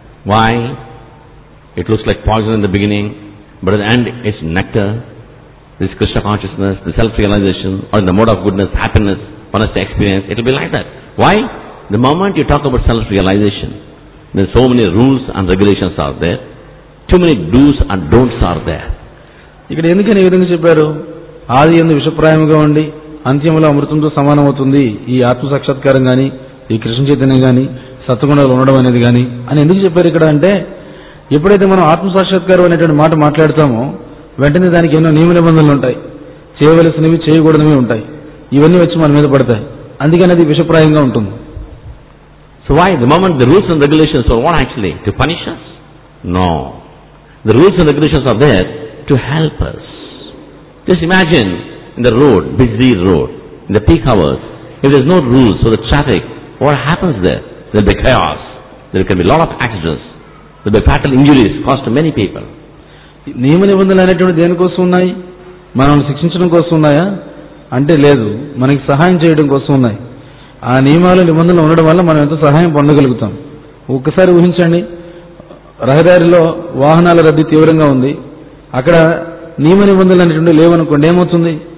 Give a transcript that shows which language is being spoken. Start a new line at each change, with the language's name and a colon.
English: Why it looks like poison in the beginning but at the end it's nectar? This Krishna consciousness, the self-realization, or in the mode of goodness, happiness, one has to experience, it will be like that. Why? The moment you talk about self-realization, there are so many rules and regulations are there, too many do's and don'ts are there.
Telugu: ఇక్కడ ఎందుకని విధంగా చెప్పారు, ఆది ఎందు విషప్రాయముగా ఉండి అంత్యములో అమృతంతో సమానం అవుతుంది ఈ ఆత్మ సాక్షాత్కారం గాని ఈ కృష్ణ చైతన్యం గాని సత్వగుణాలు ఉండడం అనేది కానీ అని ఎందుకు చెప్పారు ఇక్కడ అంటే, ఎప్పుడైతే మనం ఆత్మ సాక్షాత్కారం అనేటువంటి మాట మాట్లాడతామో వెంటనే దానికి ఎన్నో నియమ నిబంధనలు ఉంటాయి, చేయవలసినవి చేయకూడదవి ఉంటాయి, ఇవన్నీ వచ్చి మన మీద పడతాయి, అందుకని అది విషప్రాయంగా ఉంటుంది.
English: So why the moment the rules and regulations are what actually to punish us? No, the rules and regulations are there to help us. Just imagine in the road, busy road, in the peak hours, if there is no rules for the traffic, what happens there? There will be chaos. There can be a lot of accidents. There will be fatal injuries caused to many people.
Telugu: నియమ నిబంధనలు అనేటువంటి దేనికోసం ఉన్నాయి? మనల్ని శిక్షించడం కోసం ఉన్నాయా? అంటే లేదు, మనకి సహాయం చేయడం కోసం ఉన్నాయి. ఆ నియమాలు నిబంధనలు ఉండడం వల్ల మనం ఎంతో సహాయం పొందగలుగుతాం. ఒక్కసారి ఊహించండి, రహదారిలో వాహనాల రద్దీ తీవ్రంగా ఉంది, అక్కడ నియమ నిబంధనలు అనేటువంటి లేవనుకోండి, ఏమవుతుంది?